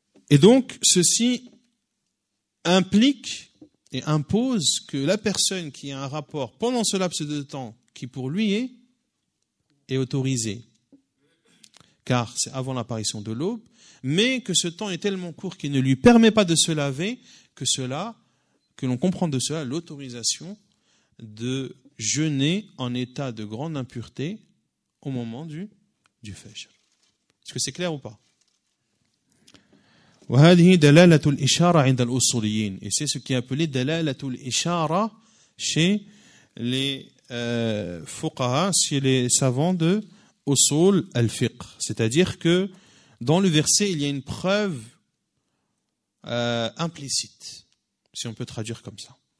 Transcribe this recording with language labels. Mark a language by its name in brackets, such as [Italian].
[French] Et donc, ceci implique et impose que la personne qui a un rapport pendant ce laps de temps qui pour lui est autorisé, car c'est avant l'apparition de l'aube, mais que ce temps est tellement court qu'il ne lui permet pas de se laver, que l'on comprend de cela l'autorisation de jeûner en état de grande impureté au moment du fajr. Est-ce que c'est clair ou pas? [Arabic] وهذه دلالة الإشارة عند الأصوليين. [French] Et c'est ce qui est appelé دلالة الإشارة chez les fuqaha, chez les savants de أصول الفقه. C'est-à-dire que dans le verset, il y a une preuve implicite, si on peut traduire comme ça.